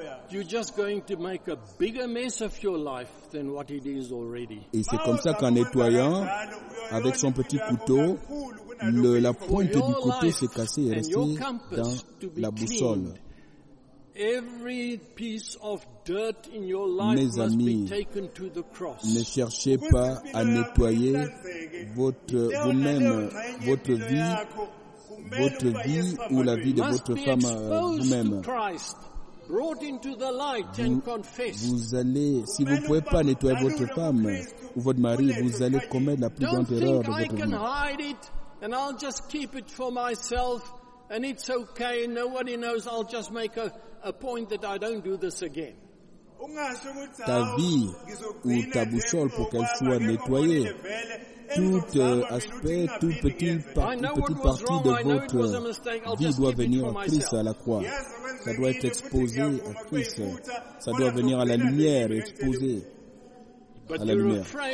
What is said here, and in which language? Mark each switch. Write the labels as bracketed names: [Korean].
[English] You're just going to make a bigger mess of your life than what it is already. [French] Et c'est comme ça qu'en nettoyant avec son petit couteau, la pointe du couteau s'est cassée et restée dans la boussole. [English] Every piece of dirt in your life must be taken to the cross. [French] Ne cherchez pas à nettoyer vous-même votre vie ou la vie de votre femme vous-même. Vous allez, si vous ne pouvez pas nettoyer votre femme ou votre mari, vous allez commettre la plus grande erreur de votre vie. [English] Don't think I can hide it and I'll just keep it for myself and it's okay, nobody knows, I'll just make a point that I don't do this again. [French] Ta vie ou ta boussole pour qu'elle soit nettoyée. Tout aspect, toute petite partie de votre vie doit venir à Christ, à la croix. Ça doit être exposé à Christ. Ça doit venir à la lumière, exposé à la lumière.